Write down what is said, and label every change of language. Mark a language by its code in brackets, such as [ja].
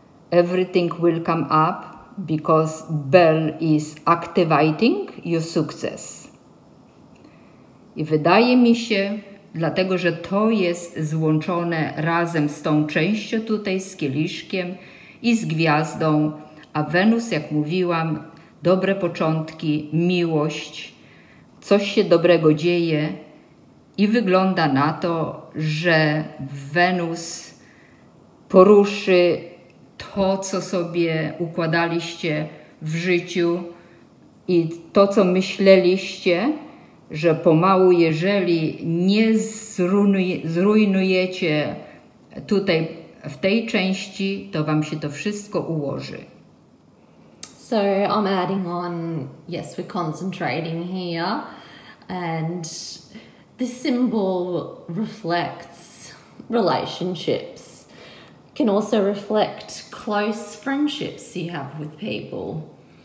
[en] Everything will come up because bell is activating your success. [pl] I wydaje mi się, dlatego że to jest złączone razem z tą częścią tutaj, z kieliszkiem i z gwiazdą, a Wenus, jak mówiłam, dobre początki, miłość, coś się dobrego dzieje i wygląda na to, że Wenus poruszy to, co sobie układaliście w życiu i to, co myśleliście, że pomału, jeżeli nie zrujnujecie tutaj, w tej części, to wam się to wszystko ułoży. [en] So I'm adding on, yes, we're concentrating here, and this symbol reflects relationships. It can also reflect close friendships you have with people.